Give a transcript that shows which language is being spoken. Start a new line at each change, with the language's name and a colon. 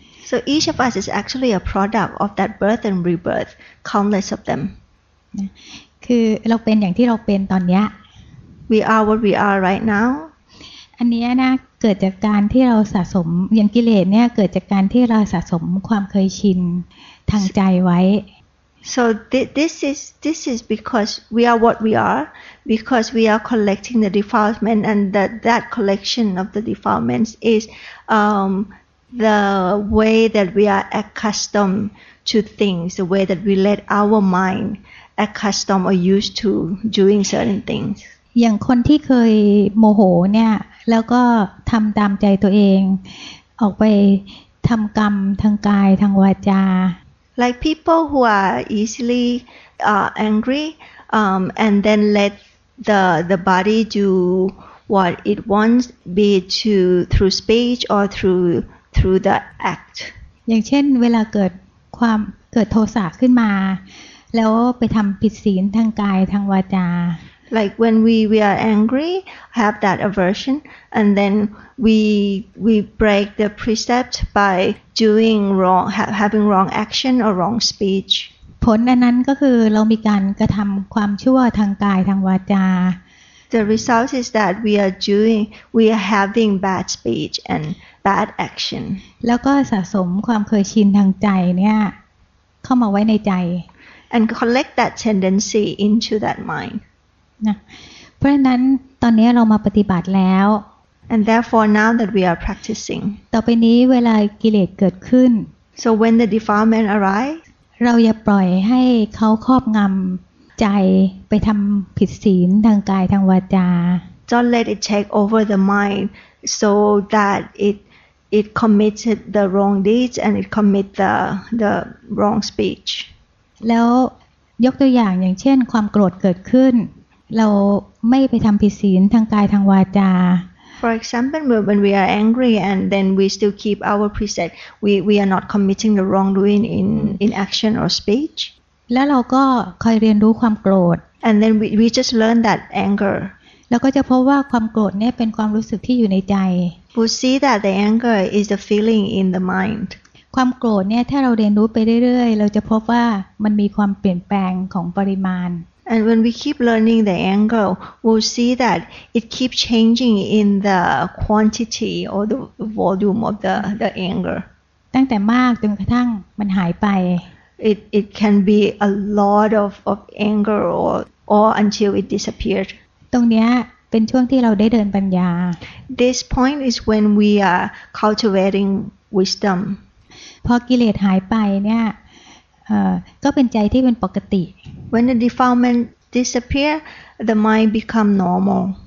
English: So each of us is actually a product of that birth and rebirth, countless of them.
Thai: คือเราเป็นอย่างที่เราเป็นตอนนี้
English: We are what we are right now.
Thai: อันนี้นะเกิดจากการที่เราสะสมอย่างกิเลสเนี่ยเกิดจากการที่เราสะสมความเคยชินทางใจไว้
English: So this is because we are what we are, because we are collecting the defilement, and that collection of the defilements is the way that we are accustomed to things, the way that we let our mind accustom or used to doing certain things.
Thai: อย่างคนที่เคยโมโหเนี่ยแล้วก็ทำตามใจตัวเองออกไปทำกรรมทางกายทางวาจา
English: Like people who are easily angry and then let the body do what it wants, be it through speech or through the act.
Thai: อย่างเช่นเวลาเกิดโทสะขึ้นมาแล้วไปทำผิดศีลทางกายทางวาจา
English: Like when we are angry, have that aversion, and then we break the precept by doing wrong, having wrong action or wrong speech.
Thai: ผลอันนั้นก็คือเรามีการกระทำความชั่วทางกายทางวาจา
English: The result is that we are having bad speech and bad action.
Thai: แล้วก็สะสมความเคยชินทางใจเนี่ยเข้ามาไว้ในใจ
English: And collect that tendency into that mind.
Thai: นะเพราะฉะนั้นตอนนี้เรามาปฏิบัติแล้ว
English: and therefore now that we are practicing
Thai: ต่อไปนี้เวลากิเลสเกิดขึ้น
English: so when the defilement arise
Thai: เราอย่าปล่อยให้เขาครอบงำใจไปทำผิดศีลทางกายทางวาจา
English: don't let it take over the mind so that it committed the wrong deeds and it commit the wrong speech
Thai: แล้วยกตัวอย่างอย่างเช่นความโกรธเกิดขึ้นเราไม่ไปทำผิดศีลทางกายทางวาจา
English: For example, when we are angry and then we still keep our precept, we are not committing the wrongdoing in action or speech.
Thai: แล้วเราก็คอยเรียนรู้ความโกรธ
English: And then we just learn that anger.
Thai: แล้วก็จะพบว่าความโกรธเนี่ยเป็นความรู้สึกที่อยู่ในใจ
English: We see that the anger is the feeling in the mind.
Thai: ความโกรธเนี่ยถ้าเราเรียนรู้ไปเรื่อยๆเราจะพบว่ามันมีความเปลี่ยนแปลงของปริมาณ
English: And when we keep learning the anger, we'll see that it keeps changing in the quantity or the volume of the anger.
Thai: ตั้งแต่มากจนกระทั่งมันหายไป
English: It can be a lot of anger or until it disappeared.
Thai: ตรงเนี้ยเป็นช่วงที่เราได้เดินปัญญา
English: This point is when we are cultivating wisdom.
Thai: พอกิเลสหายไปเนี่ยก็เป็นใจที่เป็นปกติ
English: When the defilement disappear the mind become normal